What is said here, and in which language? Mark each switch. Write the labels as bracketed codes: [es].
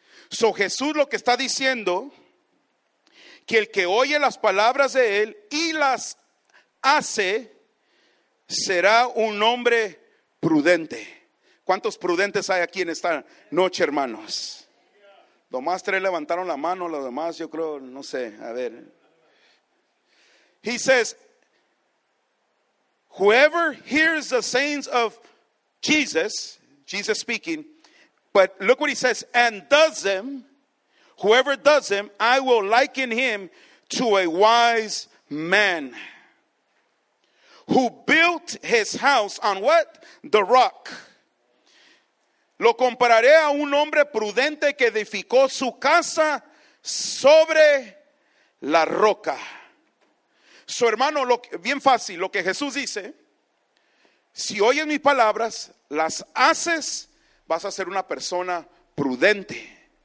[es] So Jesús lo que está diciendo, que el que oye las palabras de él y las hace, será un hombre prudente. ¿Cuántos prudentes hay aquí en esta noche, hermanos? Nomás tres levantaron la mano, los demás yo creo, no sé, a ver. [en] He says, whoever hears the sayings of Jesus speaking, but look what he says, and does them, whoever does them, I will liken him to a wise man who built his house on what? The rock. [es] Lo compararé a un hombre prudente que edificó su casa sobre la roca. Su hermano, bien fácil, lo que Jesús dice, si oyes mis palabras, las haces, vas a ser una persona prudente.